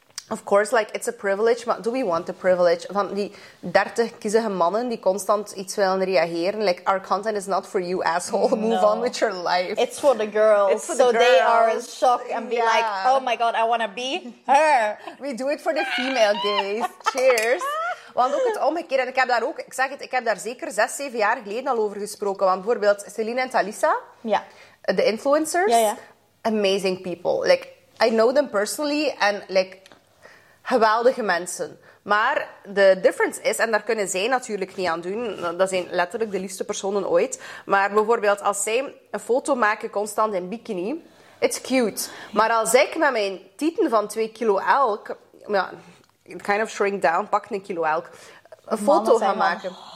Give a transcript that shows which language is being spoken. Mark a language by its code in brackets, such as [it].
[en] Of course, like, it's a privilege, but do we want the privilege? [nl] Van die 30 kiezige mannen die constant iets willen reageren. [en] Like, our content is not for you, asshole. Move on with your life. It's for the girls. It's for the girls. They are in shock and be like, oh my god, I want to be her. We do it for the female gays. Cheers. [nl] Want ook het omgekeerde. En ik heb daar ook, ik zeg het, ik heb daar zeker 6, 7 jaar geleden al over gesproken. Want bijvoorbeeld Celine en Thalissa. Ja. De influencers. Ja, ja. [en] Amazing people. Like, I know them personally and, like... [nl] geweldige mensen. Maar de difference is, en daar kunnen zij natuurlijk niet aan doen, dat zijn letterlijk de liefste personen ooit, maar bijvoorbeeld als zij een foto maken constant in bikini, [en] it's cute. [nl] Maar als ik met mijn tieten van 2 kilo elk, ja, [en] kind of shrink down, [nl] pak 1 kilo elk, een foto gaan maken...